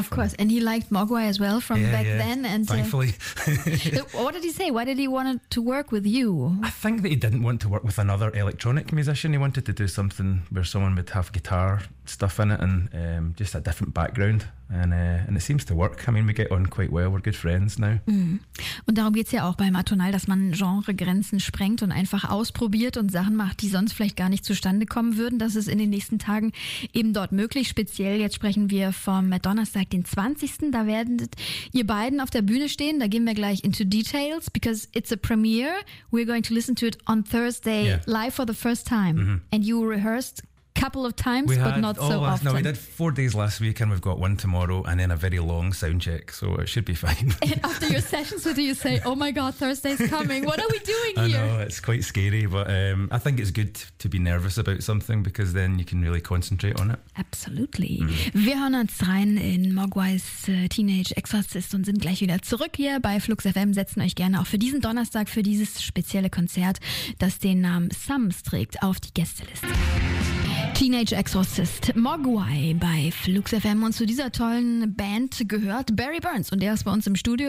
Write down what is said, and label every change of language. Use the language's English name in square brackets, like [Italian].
[English] Of course, and he liked Mogwai as well from yeah, back yeah. then. And thankfully, what did he say? Why did he want to work with you? I think that he didn't want to work with another electronic musician. He wanted to do something where someone would have guitar stuff in it and just a different background. And it seems to work. I mean, we get on quite well. We're good friends now. Mm. [German] Und darum geht's ja auch beim Atonal, dass man Genregrenzen sprengt und einfach ausprobiert und Sachen macht, die sonst vielleicht gar nicht zustande kommen würden. Das ist in den nächsten Tagen eben dort möglich. Speziell jetzt sprechen wir vom Donnerstag, den 20. Da werdet ihr beiden auf der Bühne stehen. Da gehen wir gleich [English] into details, because it's a premiere. We're going to listen to it on Thursday yeah. live for the first time. Mm-hmm. And you rehearsed couple of times, we but had, not oh, so often. No, we did 4 days last week, and we've got one tomorrow, and then a very long sound check, so it should be fine. After your sessions, what do you say? Oh my God, Thursday's coming. What are we doing here? I know, it's quite scary, but I think it's good to be nervous about something, because then you can really concentrate on it. Absolutely. Mm. [German] Wir hören uns rein in Mogwais Teenage Exorcist und sind gleich wieder zurück hier bei Flux FM. Setzen euch gerne auch für diesen Donnerstag, für dieses spezielle Konzert, das den Namen Sums trägt, auf die Gästeliste. Teenage Exorcist Mogwai bei Flux FM, und zu dieser tollen Band gehört Barry Burns, und er ist bei uns im Studio.